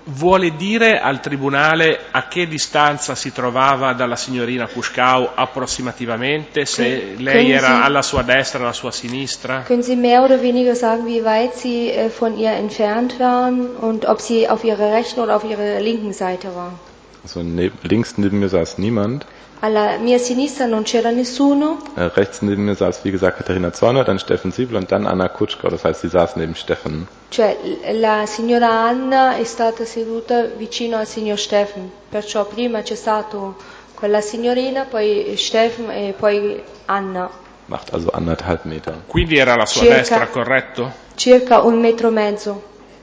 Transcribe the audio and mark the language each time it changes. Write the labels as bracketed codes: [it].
[it] Vuole dire al tribunale a che distanza si trovava dalla signorina Cuscao approssimativamente, se lei era alla sua destra, alla sua sinistra? [de] Können Sie mehr oder weniger sagen, wie weit Sie von ihr entfernt waren und ob Sie auf ihrer rechten oder auf ihrer linken Seite waren? Also links neben mir saß niemand. [it] Alla mia sinistra non c'era nessuno. [de] Rechts neben mir saß, wie gesagt, Katharina Zorner, dann Steffen Siebel und dann Anna Kutschko. Das heißt, sie saß neben Steffen. [it] Cioè, la signora Anna è stata seduta vicino al signor Steffen. Perciò prima c'è stato quella signorina, poi Steffen e poi Anna. [de] Macht also anderthalb Meter. [it] Quindi era la sua circa, destra, corretto? Circa un metro e mezzo.